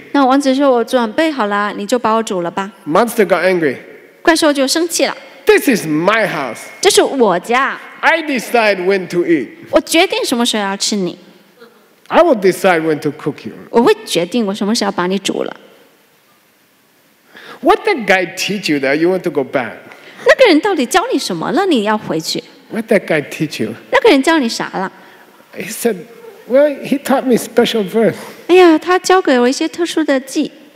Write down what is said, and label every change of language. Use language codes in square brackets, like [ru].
[zh] 那王子说，我准备好了，你就把我煮了吧。 [en] Monster got angry. [zh] 怪兽就生气了。 [en] This is my house. [zh] 这是我家。 [en] I decide when to eat. [zh] 我决定什么时候要吃你。 [en] I will decide when to cook you. [zh] 我会决定我什么时候把你煮了。 [en] What that guy teach you that you want to go back? [zh] 那个人到底教你什么了？你要回去。 [en] What that guy teach you? [zh] 那个人教你啥了？ [en] He said, "Well, he taught me special verse." [zh] 哎呀，他教给我一些特殊的技。